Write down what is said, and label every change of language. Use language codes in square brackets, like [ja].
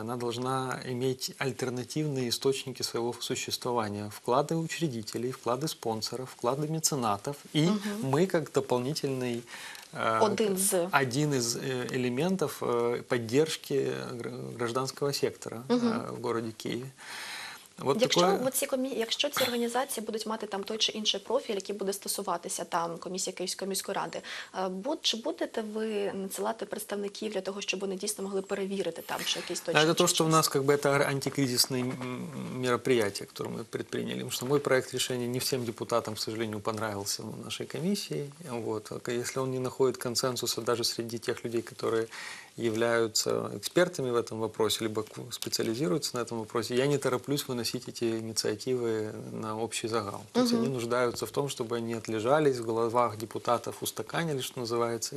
[ru] Она должна иметь альтернативные источники своего существования. Вклады учредителей, вклады спонсоров, вклады меценатов. И мы, как дополнительный один из элементов поддержки гражданского сектора в городе Києві. Вот якщо, такое... [uk] якщо ці організації будуть мати там той чи інший профіль, який буде стосуватися там комісії Київської міської ради, чи будете ви надсилати представників для того, щоб вони дійсно могли перевірити там, що якийсь точно? Це те, що в нас якби, це антикризисне мероприятие, яке ми предприняли. Тому що мій проект рішення не всім депутатам, [ru] к сожалению, [uk] понравился в нашій комісії. Вот. Якщо він не знаходить консенсуса навіть серед тих людей, які [ru] являются экспертами в этом вопросе, либо специализируются на этом вопросе, я не тороплюсь выносить эти инициативы на общий загал. То есть они нуждаются в том, чтобы они отлежались в головах депутатов, устаканили, что называется.